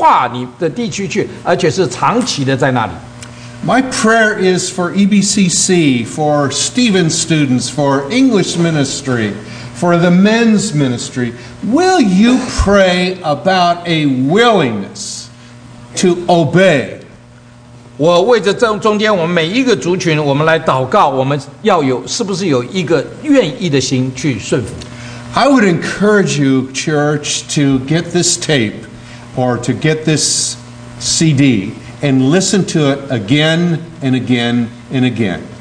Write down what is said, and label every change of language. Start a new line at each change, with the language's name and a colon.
Chinese: 我今天听到的负担是，我们要道成肉身到那个不同的文化里的地区去，而且是长期的在那里。
English: My prayer is for EBCC, for Stephen students, for English ministry, for the men's ministry, will you pray about a willingness to obey?
Chinese: 我为着中间我们每一个族群，我们来祷告，我们要有是不是有一个愿意的心去顺服。
English: I would encourage you, church, to get this tape or to get this CD and listen to it again and again and again.